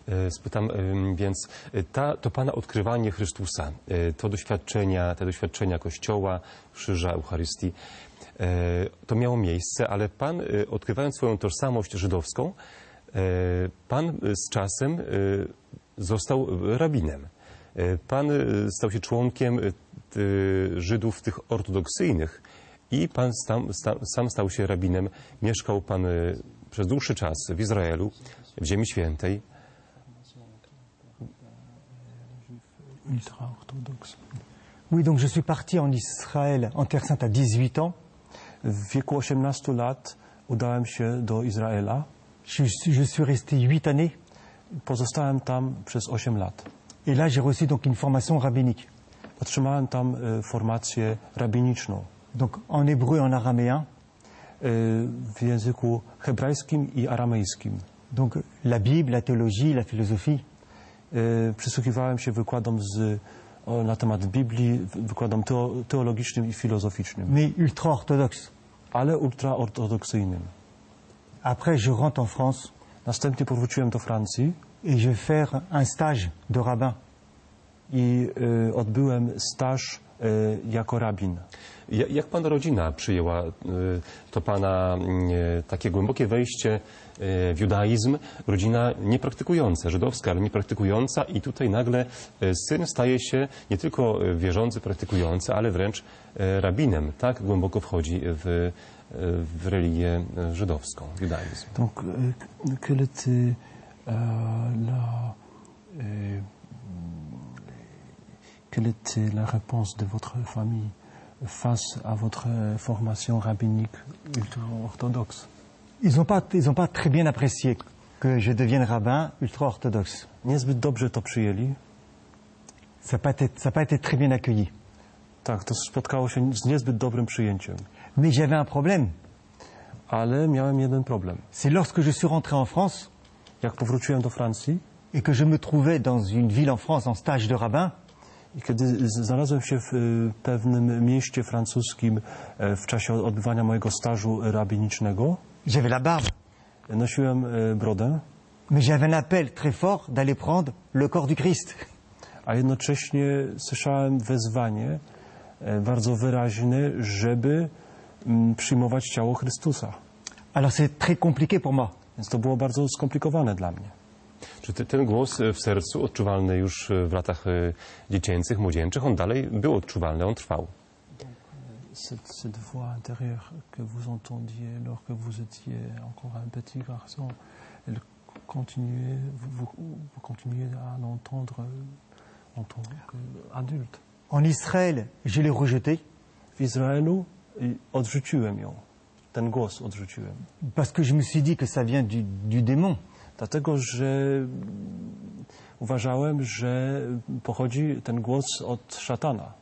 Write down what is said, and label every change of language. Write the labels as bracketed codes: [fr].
[pl] Spytam więc, to Pana odkrywanie Chrystusa, te doświadczenia Kościoła, Krzyża, Eucharystii, to miało miejsce, ale Pan, odkrywając swoją tożsamość żydowską, Pan z czasem został rabinem. Pan stał się członkiem Żydów tych ortodoksyjnych i pan sam stał się rabinem. Mieszkał pan przez dłuższy czas w Izraelu, w Ziemi Świętej. [fr] Oui, donc je suis parti en Israël, en Terre Sainte, à 18 ans. [pl] W wieku 18 lat udałem się do Izraela. [fr] Je suis resté 8 années. [pl] Pozostałem tam przez 8 lat. [fr] Et là, j'ai reçu donc une formation rabbinique. [pl] Otrzymałem tam formację rabiniczną. [fr] Donc en hébreu, en araméen. [pl] W języku hebrajskim i aramejskim. [fr] Donc la Bible, la théologie, la philosophie. [pl] Przysłuchiwałem się wykładom na temat Biblii, wykładom teologicznym i filozoficznym. [fr] Mais ultra-orthodoxe. [pl] Ale ultra-ortodoksyjnym. [fr] Après, je rentre en France. [pl] Następnie powróciłem do Francji. [fr] Et je vais faire un stage de rabbin. [pl] I odbyłem staż jako rabin. Jak pana rodzina przyjęła to pana takie głębokie wejście w judaizm? Rodzina niepraktykująca, żydowska, ale niepraktykująca. I tutaj nagle syn staje się nie tylko wierzący, praktykujący, ale wręcz rabinem. Tak głęboko wchodzi w religię żydowską, w judaizm. Donc, kiedy ty la... [fr] Quelle était la réponse de votre famille face à votre formation rabbinique ultra-orthodoxe. Ils n'ont pas très bien apprécié que je devienne rabbin ultra-orthodoxe. [pl] Niezbyt dobrze to przyjęli. [fr] Ça n'a pas été très bien accueilli. [pl] Tak, to spotkało się z niezbyt dobrym przyjęciem. [fr] Mais j'avais un problème. [pl] Ale miałem jeden problem. [fr] C'est lorsque je suis rentré en France. [pl] Jak powróciłem do Francji. [fr] Et que je me trouvais dans une ville en France en stage de rabbin. [pl] I kiedy znalazłem się w pewnym mieście francuskim w czasie odbywania mojego stażu rabinicznego. [fr] J'avais la barbe. [pl] Nosiłem brodę. [fr] Mais j'avais un appel très fort d'aller prendre le corps du Christ. [pl] A jednocześnie słyszałem wezwanie bardzo wyraźne, żeby przyjmować ciało Chrystusa. [fr] Alors c'est très compliqué pour moi. [pl] Więc to było bardzo skomplikowane dla mnie. Czy ten głos w sercu, odczuwalny już w latach dziecięcych, młodzieńczych, on dalej był odczuwalny, on trwał? [fr] Cette voix intérieure que vous entendiez lorsque vous étiez encore un petit garçon, elle continuait, vous continuez à l'entendre en tant qu'adulte. En Israël, je l'ai rejeté. [pl] W Izraelu odrzuciłem ją. Ten głos odrzuciłem. [fr] Parce que je me suis dit que ça vient du démon. [pl] Dlatego, że uważałem, że pochodzi ten głos od szatana.